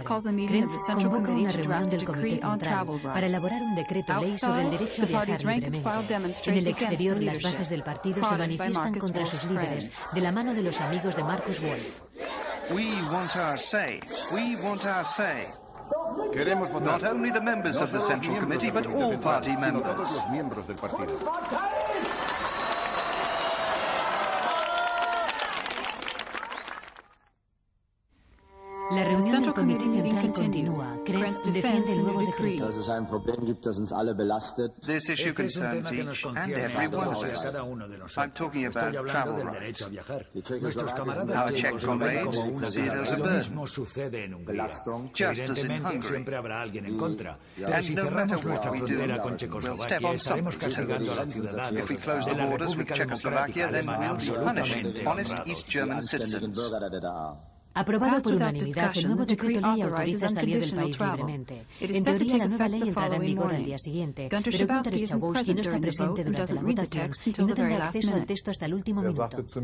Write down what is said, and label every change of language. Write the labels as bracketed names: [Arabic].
[Spanish] Krantz convoca una reunión del Comité Central para elaborar un decreto ley sobre el derecho a viajar libremente. En el exterior, las bases del partido se manifiestan contra sus líderes, de la mano de los amigos de Marcus Wolf. [English] We want our say. We want our say. [Spanish] Queremos votar. [English] Not only the members of the Central Committee, but all party members. [Spanish] Todos los miembros del partido. La reunión del Comité Central continúa. Krantz defiende el nuevo decreto. [German] Das ist ein Problem, gibt es uns alle belastet. [English] This issue concerns each and every one of us. I'm talking about travel rights. [Spanish] Nuestros camaradas, [English] our Czech comrades, see it as a burden. [Spanish] Lo mismo sucede en Hungría. [English] Just as in Hungary. [Spanish] Siempre habrá alguien en contra. Pero si cerramos nuestra frontera con Checoslovaquia, estaremos castigando a la ciudadanía. [English] If we close the borders with Czechoslovakia, then we'll be punishing honest East German citizens. [Spanish] Aprobado por unanimidad, el nuevo decreto ley autoriza salir del país libremente. En teoría, la nueva ley entrará en vigor al día siguiente, pero Gunter Schabowski no está presente durante la votación y no tendrá acceso al texto hasta el último minuto.